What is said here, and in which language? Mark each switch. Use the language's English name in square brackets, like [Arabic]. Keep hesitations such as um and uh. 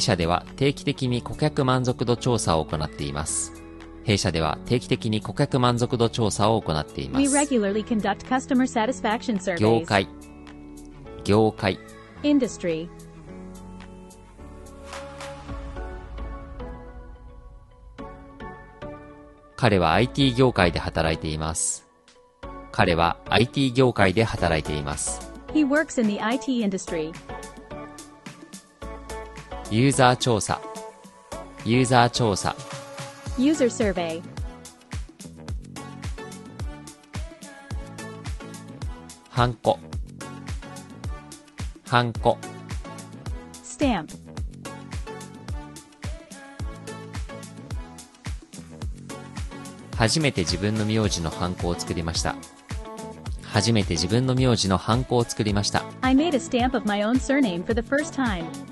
[Japanese] 社では定期的に顧客満足度調査を行っています。弊社では定期的に顧客満足度調査を行っています。 [English] We regularly conduct customer satisfaction surveys. [Japanese] 業界、業界、industry。彼は IT 業界で働いています。彼は IT 業界で働いています。 [English] He works in the IT industry. [Japanese] ユーザー調査、ユーザー調査。 [English] User Survey [Japanese] ハンコハンコ Stamp「初めて自分の名字のハンコを作りました」「初めて自分の名字のハンコを作りました」 [English] 「I made a stamp of my own surname for the first time